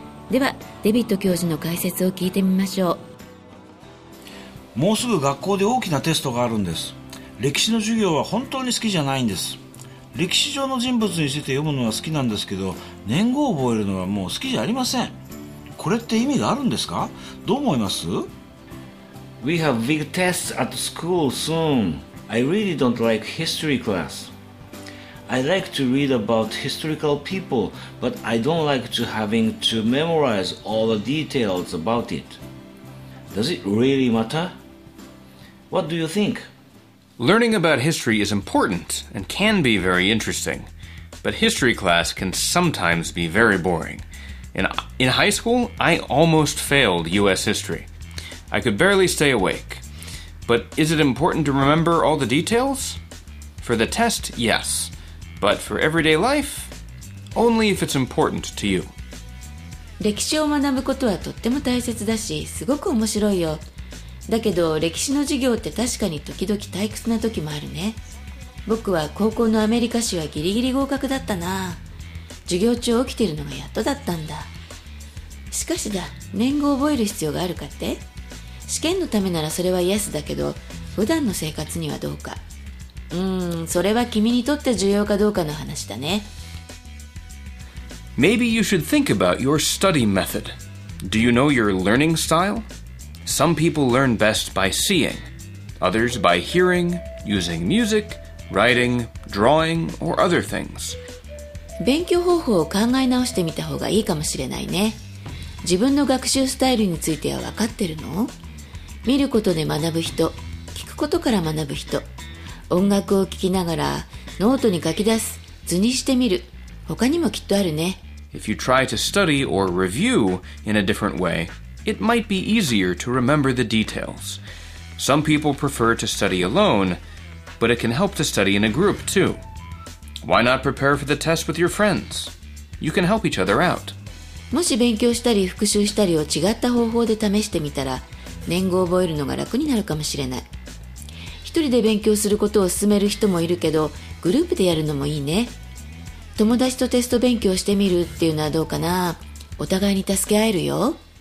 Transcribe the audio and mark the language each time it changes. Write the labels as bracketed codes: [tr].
[ja] ではデビット教授の解説を聞いてみましょう。もうすぐ学校で大きなテストがあるんです。歴史の授業は本当に好きじゃないんです。歴史上の人物について読むのは好きなんですけど、年号を覚えるのはもう好きじゃありません。これって意味があるんですか？どう思います？ [en] We have big tests at school soon. I really don't like history class. I like to read about historical people, but I don't like to having to memorize all the details about it. Does it really matter? What do you think? Learning about history is important and can be very interesting, but history class can sometimes be very boring. In high school, I almost failed U.S. history. I could barely stay awake. But is it important to remember all the details? For the test, yes. But for everyday life, only if it's important to you. [ja] 歴史を学ぶことはとっても大切だし、すごく面白いよ。だけど歴史の授業って確かに時々退屈な時もあるね。僕は高校のアメリカ史はギリギリ合格だったな。授業中起きてるのがやっとだったんだ。しかしだ、年号を覚える必要があるかって？試験のためならそれはイエスだけど、普段の生活にはどうか。それは君にとって重要かどうかの話だね。 [en] Maybe you should think about your study method. Do you know your learning style? Some people learn best by seeing, others by hearing, using music, writing, drawing, or other things. [ja] 勉強方法を考え直してみた方がいいかもしれないね。自分の学習スタイルについては分かってるの？見ることで学ぶ人、聞くことから学ぶ人、音楽を聴きながらノートに書き出す、図にしてみる、他にもきっとあるね。 [en] If you try to study or review in a different way,It might be easier to remember the details. Some people prefer to study alone, but it can help to study in a group too. Why not prepare for the test with your friends? You can help each other out. [ja] もし勉強したり復習したりを違った方法で試してみたら、年号を覚えるのが楽になるかもしれない。一人で勉強することを勧める人もいるけど、グループでやるのもいいね。友達とテスト勉強してみるっていうのはどうかな？お互いに助け合えるよ。